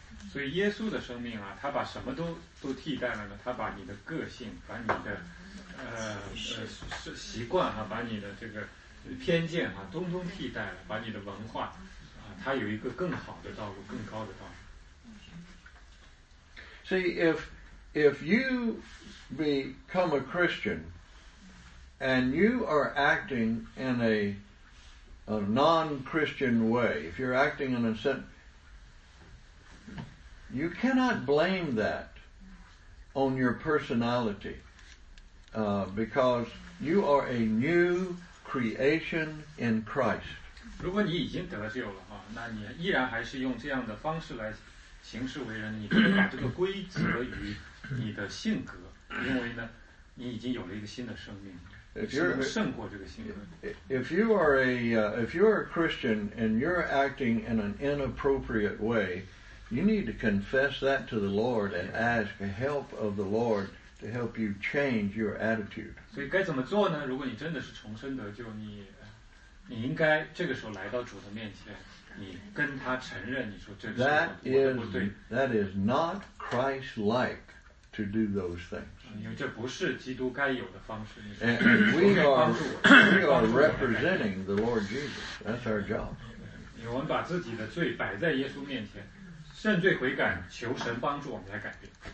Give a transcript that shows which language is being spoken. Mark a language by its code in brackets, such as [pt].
[zh] 所以耶稣的生命啊，他把什么都替代了呢？他把你的个性，把你的习惯哈、啊，把你的这个偏见哈、啊，通通替代了，把你的文化啊，他有一个更好的道路，更高的道路。 [en] See, if you become a Christian and you are acting in a non-Christian way, if you're acting in a sense, you cannot blame that on your personality because you are a new creation in Christ. [zh] 如果你已经得救了，那你依然还是用这样的方式来行事为人，你可以把这个归责于你的性格，因为呢，你已经有了一个新的生命。 [en] If you're a Christian and you're acting in an inappropriate way, you need to confess that to the Lord and ask the help of the Lord to help you change your attitude. [zh] 所以该怎么做呢？如果你真的是重生得救，你你应该这个时候来到主的面前，你跟他承认，你说这是我的不对。 [en] That is not Christ-like to do those things. [zh] 因为这不是基督该有的方式。 [en] We are representing the Lord Jesus. That's our job. [zh] 因为我们把自己的罪摆在耶稣面前，认罪悔改，求神帮助我们来改变。